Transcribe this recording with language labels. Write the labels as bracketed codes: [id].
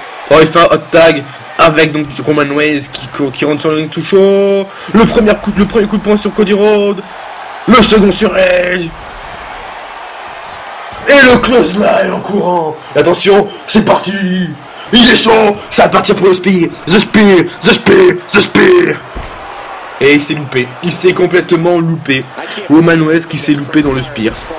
[fr] Oh, il fait un hot tag avec donc Roman Reigns qui rentre sur le ring tout chaud. Le premier coup de poing sur Cody Rhodes. Le second sur Edge. Et le close line en courant. Attention, c'est parti. Il est chaud. Ça va partir pour le spear. [en] The spear, the spear, the spear. [fr] Et il s'est loupé. Il s'est complètement loupé. Roman Reigns qui s'est loupé dans le spear.